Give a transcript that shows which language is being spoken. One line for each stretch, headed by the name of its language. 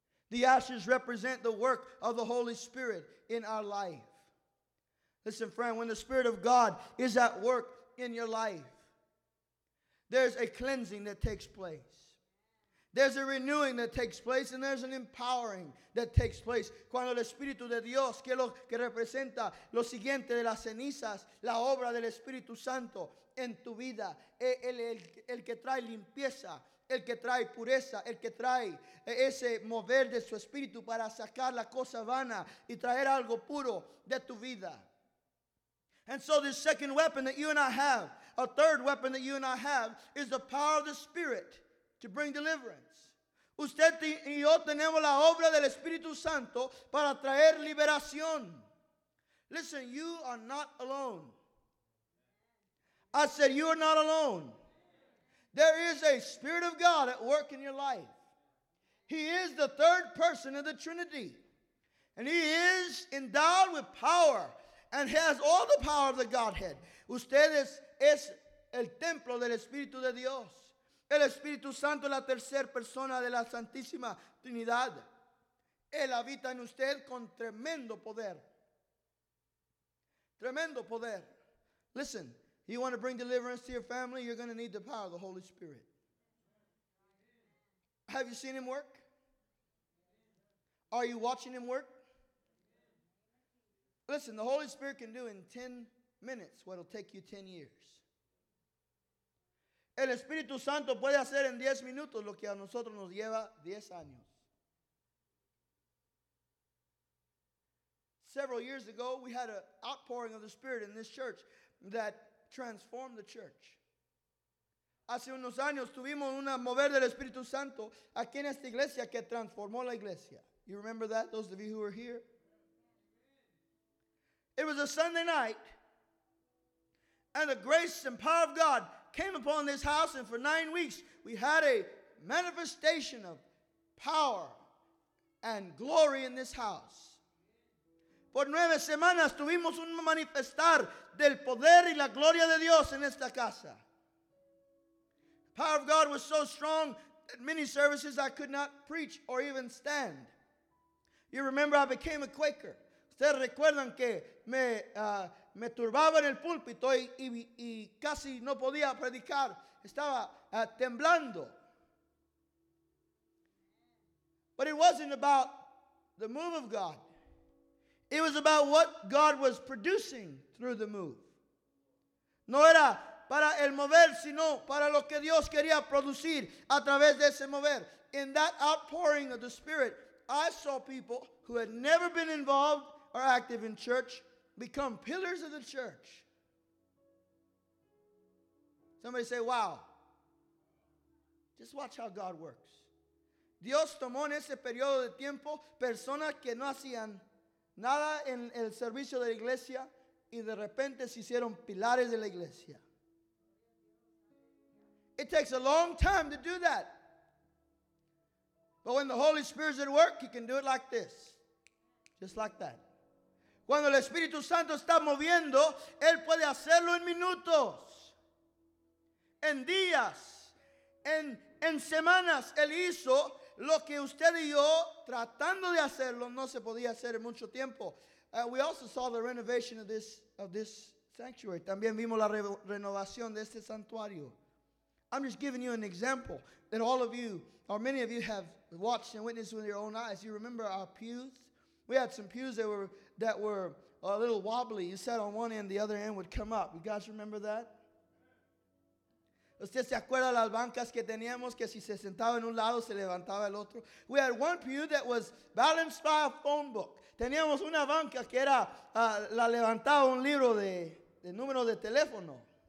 English: The ashes represent the work of the Holy Spirit in our life. Listen, friend, when the Spirit of God is at work in your life, there's a cleansing that takes place. There's a renewing that takes place and there's an empowering that takes place.
Spanish: Cuando el Espíritu de Dios, que es lo que representa lo siguiente de las cenizas, la obra del Espíritu Santo en tu vida, el que trae limpieza, el que trae pureza, el que trae ese mover de su Espíritu para sacar la cosa vana y traer algo puro de tu vida.
English: And so this second weapon that you and I have, a third weapon that you and I have, is the power of the Spirit to bring deliverance.
Spanish: Usted y yo tenemos la obra del Espíritu Santo para traer liberación.
English: Listen, you are not alone. I said, you are not alone. There is a Spirit of God at work in your life. He is the third person of the Trinity. And he is endowed with power and has all the power of the Godhead.
Spanish: Usted es el templo del Espíritu de Dios. El Espíritu Santo es la tercera persona de la Santísima Trinidad. Él habita en usted con tremendo poder. Tremendo poder.
English: Listen, you want to bring deliverance to your family, you're going to need the power of the Holy Spirit. Have you seen him work? Are you watching him work? Listen, the Holy Spirit can do in 10 minutes what will take you 10 years.
Spanish: El Espíritu Santo puede hacer en 10 minutos lo que a nosotros nos lleva 10 años.
English: Several years ago, we had an outpouring of the Spirit in this church that transformed the church.
Spanish: Hace unos años tuvimos una mover del Espíritu Santo aquí en esta iglesia que transformó la iglesia.
English: You remember that, those of you who were here? It was a Sunday night, and the grace and power of God came upon this house, and for 9 weeks we had a manifestation of power and glory in this house.
Spanish: Por 9 semanas tuvimos un manifestar del poder y la gloria de Dios en esta casa.
English: The power of God was so strong that many services I could not preach or even stand. You remember I became a Quaker.
Spanish: Ustedes recuerdan que me turbaba en el púlpito y casi no podía predicar. Estaba temblando.
English: But it wasn't about the move of God. It was about what God was producing through the move.
Spanish: No era para el mover, sino para lo que Dios quería producir a través de ese mover.
English: In that outpouring of the Spirit, I saw people who had never been involved or active in church become pillars of the church. Somebody say, wow. Just watch how God works.
Spanish: Dios tomó en ese periodo de tiempo personas que no hacían nada en el servicio de la iglesia y de repente se hicieron pilares de la iglesia.
English: It takes a long time to do that. But when the Holy Spirit is at work, he can do it like this. Just like that.
Spanish: Cuando el Espíritu Santo está moviendo, él puede hacerlo en minutos, en días, en semanas. Él hizo lo que usted y yo, tratando de hacerlo, no se podía hacer en mucho tiempo.
English: We also saw the renovation of this sanctuary.
Spanish: También vimos la renovación de este santuario.
English: I'm just giving you an example that all of you, or many of you, have watched and witnessed with your own eyes. You remember our pews? We had some pews that were a little wobbly. You sat on one end, the other end would come up. You guys remember that?
Spanish: ¿Usted se acuerda las bancas que teníamos que si se sentaba en un lado se levantaba el otro?
English: We had one pew that was balanced by a phone book.
Spanish: Teníamos una banca que era la levantaba un libro de número de teléfono.